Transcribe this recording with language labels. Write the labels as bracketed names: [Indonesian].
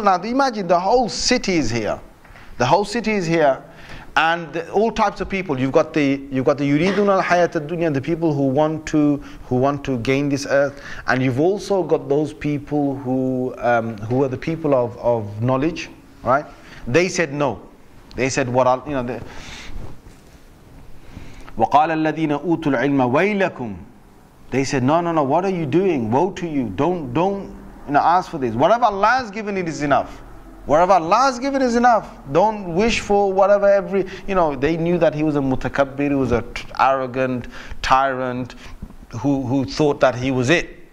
[English] Now imagine, the whole city is here. The whole city is here. And all types of people. You've got the [Arabic] yuridun al hayat al dunya, [English] the people who want to gain this earth. And you've also got those people who are the people of knowledge, right? They said no. They said what? You know, the [Arabic] وَقَالَ الَّذِينَ أُوتُوا الْعِلْمَ وَيْلَكُمْ [English] They said, no, what are you doing? Woe to you. Don't ask for this. Whatever Allah has given, it is enough. Whatever Allah has given is enough. Don't wish for whatever they knew that he was a mutakabbir, he was an arrogant tyrant who thought that he was it.